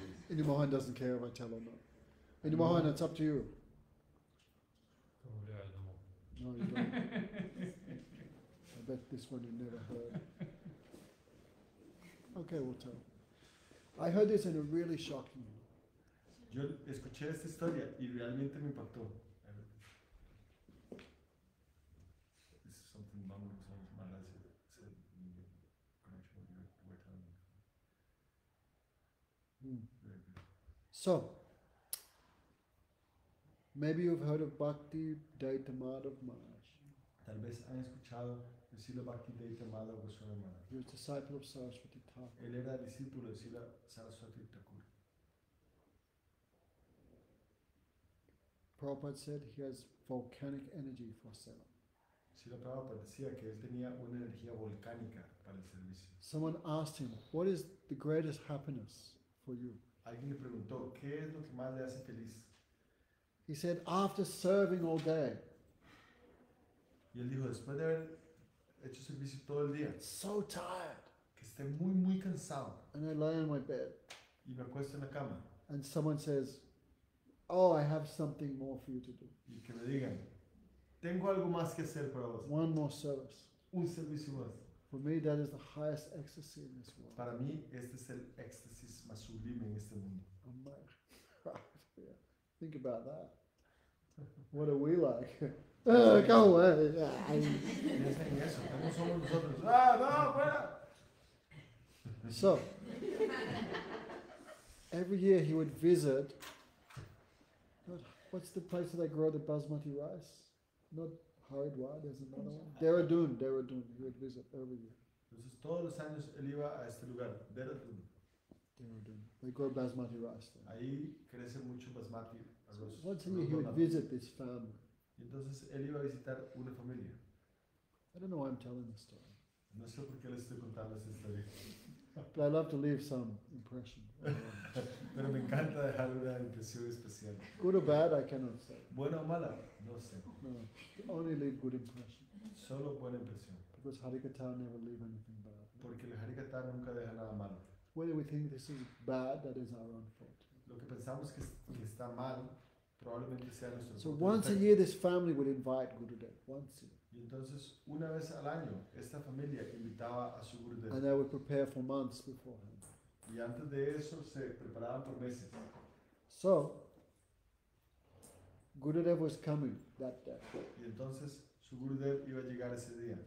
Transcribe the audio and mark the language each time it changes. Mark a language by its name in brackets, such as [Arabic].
[English] Indy Mohan doesn't care if I tell or not. Indy Mohan, it's up to you. Probably I don't. No, you don't. I bet this one you never heard. Okay, we'll tell. I heard this in a really shocking way. [Spanish] Yo escuché esta historia y realmente me impactó. [English] This is something wrong with some of my lads said in the connection with what you were telling me. So, maybe you've heard of Bhakti Daita Madhav Maharaj. [Spanish] Tal vez han escuchado decirle Bhakti Daita Madhav Goswami Maharaj. [English] He was disciple of Saraswati Thakur. [Spanish] Él era discípulo de Sila Saraswati Thakur. [English] Prabhupada said he has volcanic energy for sale. [Spanish] Srila Prabhupada decía que él tenía una energía volcánica para el servicio. [English] Someone asked him, what is the greatest happiness for you? [Spanish] Alguien le preguntó, ¿qué es lo que más le hace feliz? [English] He said, after serving all day. [Spanish] Y él dijo, después de haber hecho servicio todo el día. [English] So tired. [Spanish] Que esté muy, muy cansado. [English] And I lay on my bed. [Spanish] Y me acuesto en la cama. [English] And someone says, oh, I have something more for you to do. [Spanish] Y que me digan, tengo algo más que hacer para vos. [English] One more service. [Spanish] Un servicio más. [English] For me, that is the highest ecstasy in this world. [Spanish] Para mí, este es el éxtasis más sublime en este mundo. [English] Oh my God. Yeah. Think about that. What are we like? Go away. [Spanish] Piensa en eso. ¿Cómo somos nosotros? ¡Ah, no, fuera! [English] So, every year he would visit. But what's the place that I grow the basmati rice? Not Haridwar, there's another one. Dehradun, he would visit every year. [Spanish] Entonces todos los años él iba a este lugar, Dehradun. [English] Dehradun, they grow basmati rice there. [Spanish] Ahí crece mucho basmati arroz. [English] Once a year he would visit this family. [Spanish] Entonces él iba a visitar una familia. [English] I don't know why I'm telling this story. [Spanish] No sé por qué les estoy contando esta historia. [English] But I love to leave some impression. [Spanish] Pero me encanta dejar una impresión especial. [English] Good or bad, I cannot say. [Spanish] Buena o mala, no sé. [English] No, only leave good impression. [Spanish] Solo buena impresión. [English] Because Harikatha never leave anything bad. [Spanish] Porque el Harikatha nunca deja nada malo. [English] Whether we think this is bad, that is our own fault. [Spanish] Lo que pensamos que está mal, probablemente sea nuestro [English] fault. So once a year, this family would invite Gurudev. Once a year. [Spanish] Y entonces, una vez al año, esta familia invitaba a su Gurudev. [English] And they would prepare for months beforehand. [Spanish] Y antes de eso, se preparaban por meses. [English] So, Gurudev was coming that day. [Spanish] Y entonces, su Gurudev iba a llegar ese día.